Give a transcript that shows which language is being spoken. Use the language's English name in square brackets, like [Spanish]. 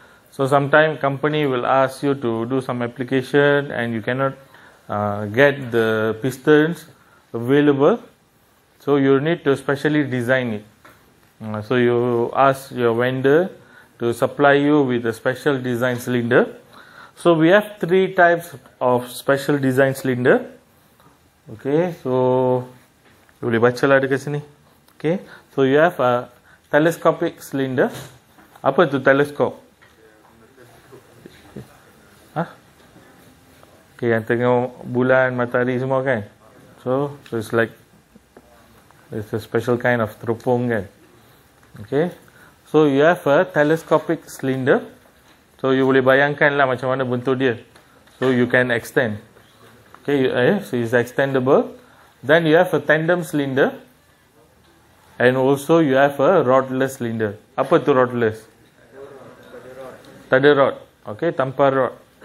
[English] So sometimes company will ask you to do some application and you cannot get the pistons available. So you need to specially design it. So you ask your vendor to supply you with a special design cylinder. So we have three types of special design cylinder. [Malay] Okay, so boleh baca lah dekat sini. [English] Okay, so you have a telescopic cylinder. [Malay] Apa tu telescope? Okay, yang tengok bulan, matahari semua kan? [English] So it's like, it's a special kind of teropong kan? Okay, so you have a telescopic cylinder. [Malay] So you boleh bayangkan lah macam mana bentuk dia. [English] So you can extend. Okay, so it's extendable. Then you have a tandem cylinder. And also you have a rodless cylinder. [Malay] Apa tu rodless? Tak ada rod. [English] Okay, [Malay] tanpa rod.